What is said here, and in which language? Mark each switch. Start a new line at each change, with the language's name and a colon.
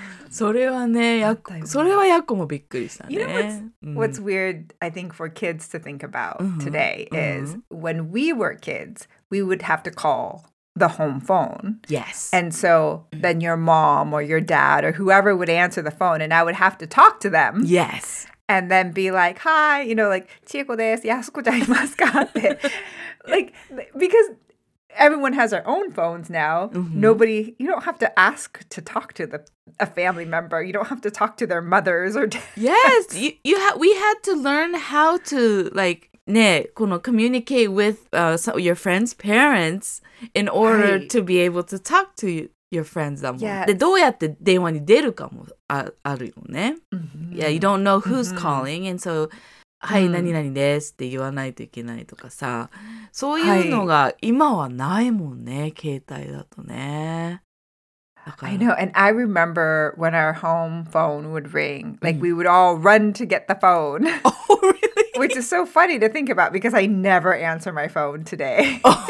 Japanese: それはね、それはヤコもびっくりしたね。
English: You know what's weird, I think, for kids to think about today is when we were kids, we would have to call the home phone. Yes. And so then your mom or your dad or whoever would answer the phone and I would have to talk to them. Yes. And then be like, hi, you know, like,
Japanese: Chieko desu, yasuko janimasu ka?
English: Like, because everyone has their own phones now. Mm-hmm. Nobody, you don't have to ask to talk to a family member. You don't have to talk to their mothers or dads. Yes, we had to learn how to, like,
Japanese: ね、この
English: communicate with your friends' parents in order、right. to be able to talk to you. Your friends
Japanese: だもん。
English: Yes.
Japanese: で、どうやって電話に出るかもあるよね。
English: Mm-hmm. Yeah, you don't know who's、mm-hmm. calling, and so,
Japanese: はい、
English: mm-hmm.
Japanese: 何々ですって言わないといけないとかさ。そういうのが今はないもんね、携帯だとね。だから。
English: I know, and I remember when our home phone would ring, like we would all run to get the phone. Oh, really? Which is so funny to think about because I never answer my phone today.